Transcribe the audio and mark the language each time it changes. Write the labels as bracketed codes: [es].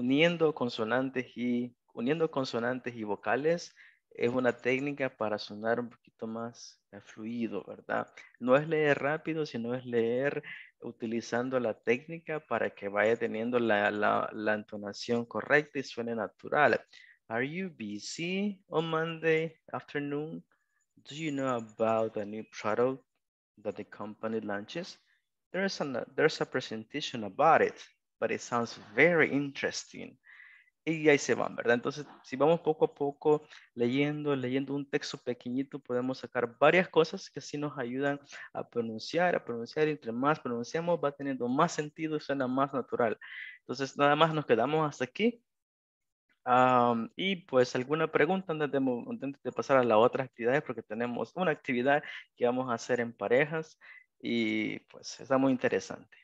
[es] Uniendo consonantes y vocales es una técnica para sonar un poquito más fluido, ¿verdad? No es leer rápido, sino es leer utilizando la técnica para que vaya teniendo la entonación correcta y suene natural. [en] Are you busy on Monday afternoon? Do you know about a new product that the company launches? There's a presentation about it, but it sounds very interesting. [es] Y ahí se van, ¿verdad? Entonces, si vamos poco a poco leyendo un texto pequeñito, podemos sacar varias cosas que así nos ayudan a pronunciar. Entre más pronunciamos, va teniendo más sentido y suena más natural. Entonces, nada más nos quedamos hasta aquí. Y pues alguna pregunta antes de pasar a las otras actividades, porque tenemos una actividad que vamos a hacer en parejas y pues está muy interesante.